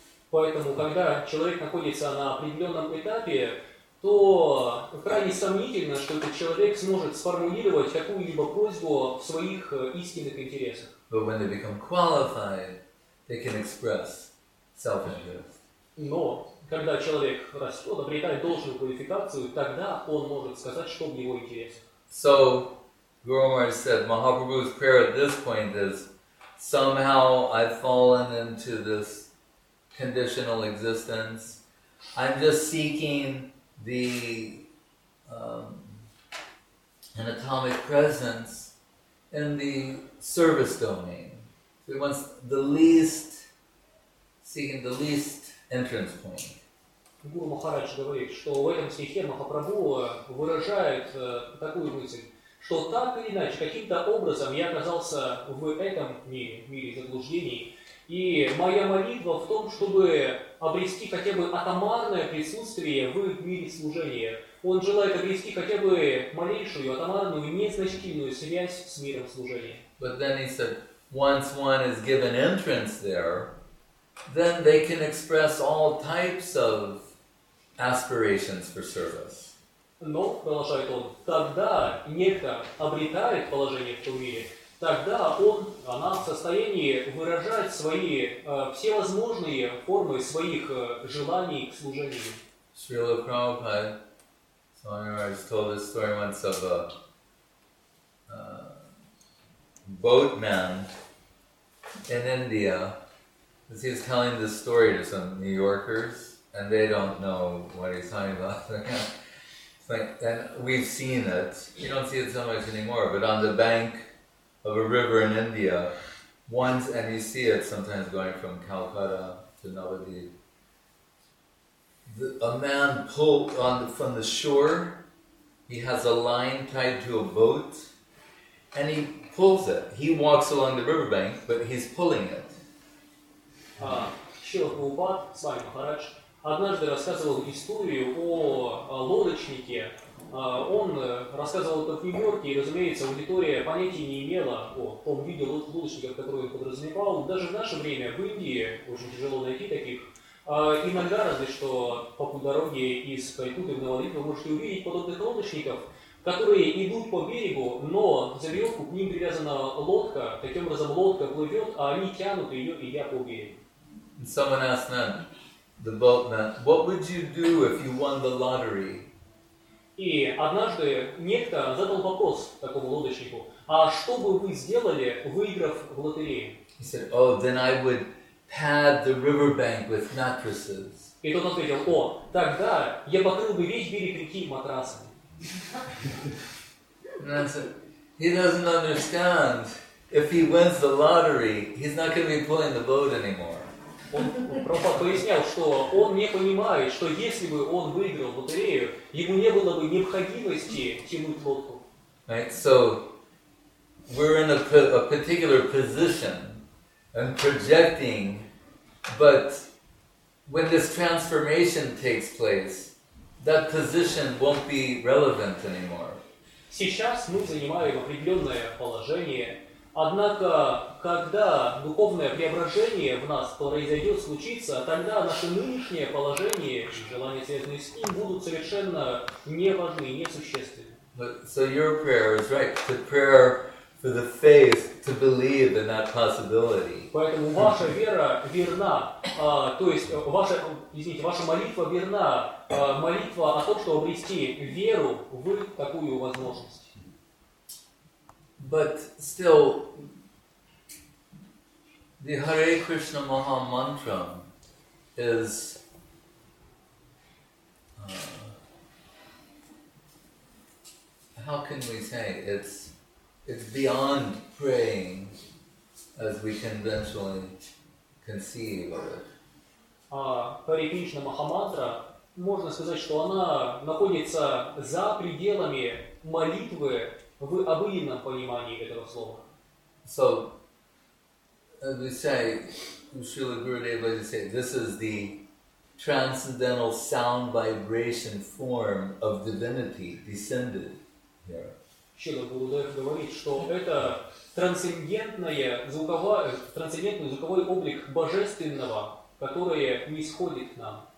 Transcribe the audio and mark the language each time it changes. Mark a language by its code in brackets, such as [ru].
[ru] Поэтому, когда человек находится на определенном этапе, то крайне сомнительно, что этот человек сможет сформулировать какую-либо просьбу в своих истинных интересах. [en] But when they become qualified, they can express self-interest. [ru] Но когда человек растет, обретает должную квалификацию, тогда он может сказать, что в его интересах. [en] So, Guru Maharaj said, Mahaprabhu's prayer at this point is, somehow I've fallen into this conditional existence. I'm just seeking the anatomic presence in the service domain. So he wants seeking the least entrance point. [ru] Гуру Махарадж говорит, что в этом стихе Махапрабху выражает такую мысль, что так или иначе, каким-то образом я оказался в этом мире, в мире заблуждений, и моя молитва в том, чтобы обрести хотя бы атомарное присутствие в мире служения. Он желает обрести хотя бы малейшую, атомарную, незначительную связь с миром служения. [en] But then he said, once one is given entrance there, then they can express all types of aspirations for service. [ru] Но, продолжает он, когда некто обретает положение в том мире, тогда он, она в состоянии выражать свои всевозможные формы своих желаний к служению. [en] Srila Prabhupada, Swamiraj, told this story once of a boatman in India. He was telling this story to some New Yorkers, and they don't know what he's talking about. But, and we've seen it. You don't see it so much anymore, but on the bank of a river in India, once, and you see it sometimes going from Calcutta to Navadvip, a man pulled on from the shore, he has a line tied to a boat, and he pulls it. He walks along the riverbank, but he's pulling it. [ru] Шрила Прабхупад, с вами Махарадж, однажды рассказывал историю о лодочнике. Он рассказывал это в Нью-Йорке, и, разумеется, аудитория понятия не имела о том виде лодочника, который он подразумевал. Даже в наше время в Индии очень тяжело найти таких. Иногда, разве что по дороге из Кайкуты в Навадвип, вы можете увидеть подобных лодочников, которые идут по берегу, но за веревку к ним привязана лодка, таким образом лодка плывет, а они тянут ее, идя по берегу. [en] And someone asked them, the boatman, what would you do if you won the lottery? [ru] И однажды некто задал вопрос такому лодочнику, а что бы вы сделали, выиграв в лотерею? [en] He said, oh, then I would pad the riverbank with mattresses. [ru] И тот ответил, о, тогда я покрыл бы весь берег реки матрасами. [en] And I said, he doesn't understand. If he wins the lottery, he's not going to be pulling the boat anymore. [ru] Прабхупад пояснял, что он не понимает, что если бы он выиграл лотерею, ему не было бы необходимости тянуть лодку. [en] Right, so we're in a particular position and projecting, but when this transformation takes place, that position won't be relevant anymore. [ru] Сейчас мы занимаем определенное положение. Однако, когда духовное преображение в нас произойдет, случится, тогда наше нынешнее положение и желания, связанные с ним, будут совершенно неважны и несущественны. [en] So your prayer is right. The prayer for the faith to believe in that possibility. [ru] Поэтому ваша вера верна. То есть, ваша молитва верна. Молитва о том, чтобы обрести веру в такую возможность. [en] But still, the Hare Krishna Maha Mantra is how can we say it's beyond praying as we conventionally conceive of it. [ru] Hare Krishna Maha Mantra, можно сказать, что она находится за пределами молитвы. В обыденном понимании этого слова. [en] So, as we say, Srila Gurudeva, as we say, this is the transcendental sound vibration form of divinity descended here. [ru] Srila Gurudeva говорит, что это трансцендентный звуковой облик божественного, который нисходит к нам.